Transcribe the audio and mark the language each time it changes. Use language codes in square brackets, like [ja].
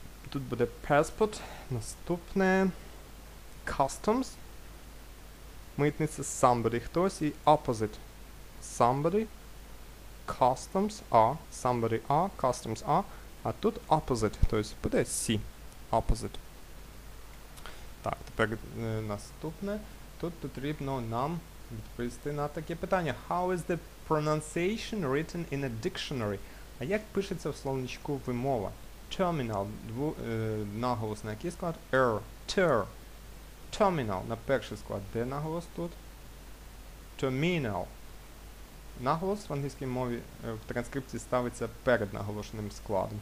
[uk] Тут буде passport, наступне, customs, митниця, somebody, хтось, і opposite, somebody, customs are, somebody are, customs are, а тут opposite, то есть буде C, opposite. Так, тепер наступне. Тут потрібно нам відповісти на таке питання. [en] How is the pronunciation written in a dictionary? [uk] А як пишеться в словничку вимова? Terminal, наголос на який склад? R, ter. Terminal, на перший склад. Де наголос тут? Terminal. Наголос в англійській мові в транскрипції ставиться перед наголошеним складом.